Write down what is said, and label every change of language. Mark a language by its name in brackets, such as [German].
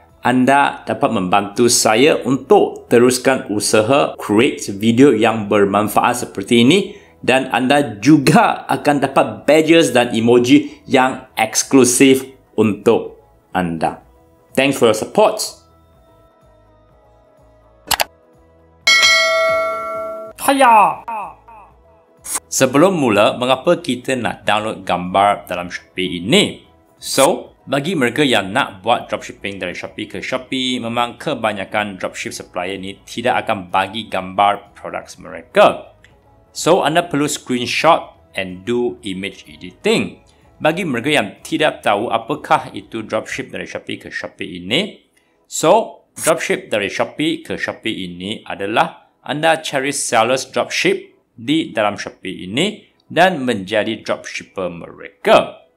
[Malay] Anda dapat membantu saya untuk teruskan usaha create video yang bermanfaat seperti ini. Dan anda juga akan dapat badges dan emoji yang eksklusif untuk anda. [English] Thanks for your support. Haya! [Malay] Sebelum mula, mengapa kita nak download gambar dalam Shopee ini? So, bagi mereka yang nak buat dropshipping dari Shopee ke Shopee, memang kebanyakan dropship supplier ni tidak akan bagi gambar produk mereka. [English] So, [Malay] anda perlu [English] screenshot and do image editing. [Malay] Bagi mereka yang tidak tahu apakah itu dropship dari Shopee ke Shopee ini, so, dropship dari Shopee ke Shopee ini adalah anda cari sellers dropship di dalam Shopee ini dan menjadi dropshipper mereka.